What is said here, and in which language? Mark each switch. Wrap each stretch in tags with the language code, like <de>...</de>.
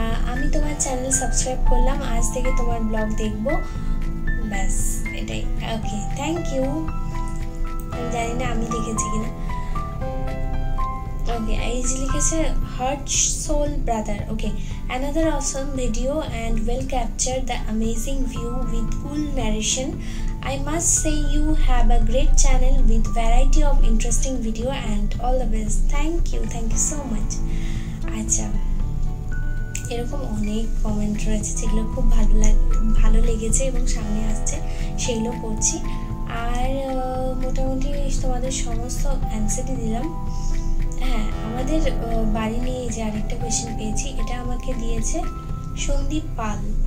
<bn>আমি তোমার channel subscribe করলাম, আজ থেকে তোমার ব্লগ দেখবো, ব্যাস এটাই। ওকে থ্যাংক ইউ, জানি না আমি দেখেছি কিনা। ওকে এই যে লিখেছে</bn> <en>Heart soul brother, okay another awesome video and well capture the amazing view with cool narration. I must say you have a great channel with variety of interesting video and all the best. Thank you so much. Acha.</en> <bn>এরকম অনেক comment রয়েছে যেগুলো খুব ভালো লেগেছে এবং সামনে আসছে, সেগুলো করছি। আর মোটামুটি তোমাদের সমস্ত অ্যানসারই দিলাম। হ্যাঁ, আমাদের বাড়ি নিয়ে যে আরেকটা কোয়েশ্চেন পেয়েছি, এটা আমাকে দিয়েছে সন্দীপ পাল।</bn>